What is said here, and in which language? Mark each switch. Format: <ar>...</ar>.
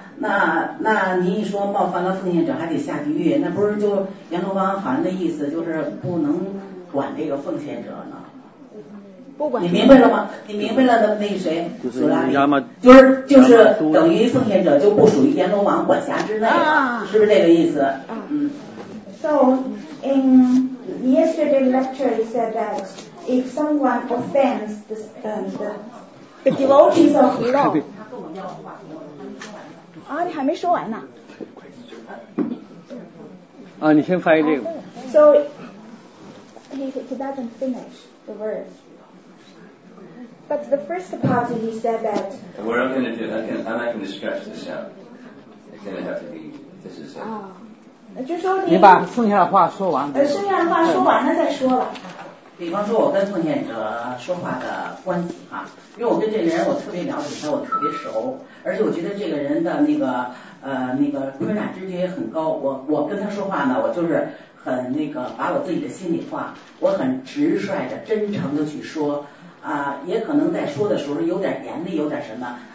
<zh>那您一说冒犯了奉献者还得下地狱，那不是就阎罗王好像的意思就是不能管这个奉献者呢？不管你明白了吗？你明白了的那谁，苏拉里，就是等于奉献者就不属于阎罗王管辖之内了、啊，是不是这个意思？啊、嗯。</zh> <en>So.” In yesterday's lecture, he said that if someone offends the devotees of</en> <zh>Lord, 啊，你还没说完呢。啊，你先翻译这个。</zh> <en>So he doesn't finish the verse. But the first part, he said that. What I'm going to do, I'm not going to stretch this out. It's going to have to be. This is it.</en> <zh>就说你把剩下的话说完。剩下的话说完了再说了。比方说，我跟奉献者说话的关系哈、啊，因为我跟这个人我特别了解他，我特别熟，而且我觉得这个人的那个昆染之觉也很高。我跟他说话呢，我就是很那个把我自己的心里话，我很直率的、真诚的去说啊，也可能在说的时候有点严厉，有点什么。</zh>